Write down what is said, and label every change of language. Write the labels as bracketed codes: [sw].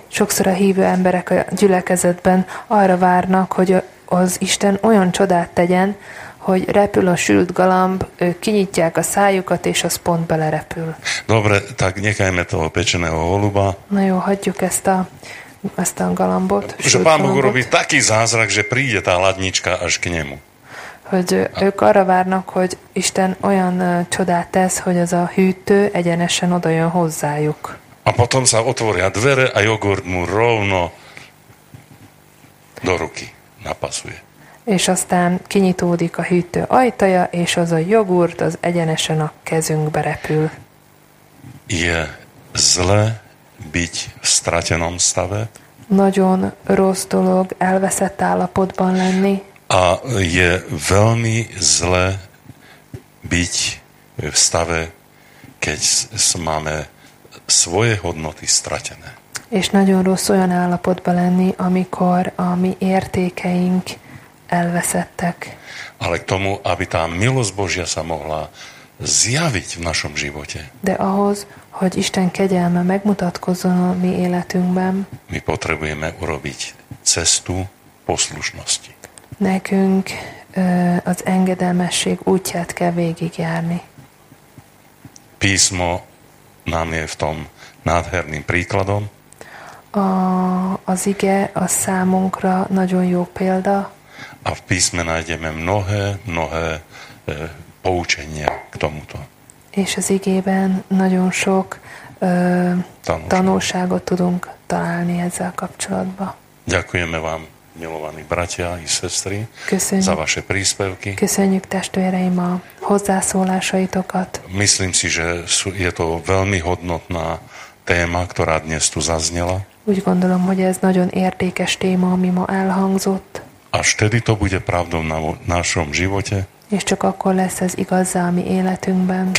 [hu] Sokszor a hívő emberek a gyülekezetben arra várnak, hogy az Isten olyan csodát tegyen, hogy repül a sült galamb, ők kinyitják a szájukat, és az pont belerepül. [sk] Dobre, tak nekajme toho pečeného holuba. [hu] Na jó, hagyjuk ezt a, ezt a galambot. [sk] Že Pán Boh urobí taký zázrak, že príde tá ladnička až k nemu. [hu] Hogy ők arra várnak, hogy Isten olyan csodát tesz, hogy az a hűtő egyenesen oda jön hozzájuk. [sk] A potom sa otvoria dvere a jogurt mu rovno do ruky napasuje. [hu] És aztán kinyitódik a hűtő ajtaja, és az a jogurt az egyenesen a kezünkbe repül. [sk] Je zle byť v stratenom stave. [hu] Nagyon rossz dolog elveszett állapotban lenni. [sk] A je veľmi zle byť v stave, keď máme svoje hodnoty stratené. [hu] És nagyon rossz olyan állapotban lenni, amikor a mi értékeink elveszettek. [sk] Ale k tomu, aby tá milosť Božia sa mohla zjaviť v našom živote. [hu] De ahhoz, hogy Isten kegyelme megmutatkozzon a mi életünkben. [sk] My potrebujeme urobiť cestu poslušnosti. [hu] Nekünk az engedelmesség útját kell végigjárni. [sk] Písmo nám je v tom nádherným príkladom. [hu] A, az ige a számunkra nagyon jó példa. [sk] A v písme nájdeme mnohé, mnohé poučenia k tomuto. [hu] És az igében nagyon sok tanulságot tudunk találni ezzel kapcsolatban. [sk] Ďakujeme vám, milovaní bratia i sestry, za vaše príspevky. [hu] Köszönjük testvéreim a hozzászólásaitokat. [sk] Myslím si, že je to veľmi hodnotná téma, ktorá dnes tu zaznela. [hu] Úgy gondolom, hogy ez nagyon értékes téma, ami ma elhangzott. [sk] Až tedy to bude pravdou na našom živote. [hu] És csak akkor lesz ez igazza a mi életünkben.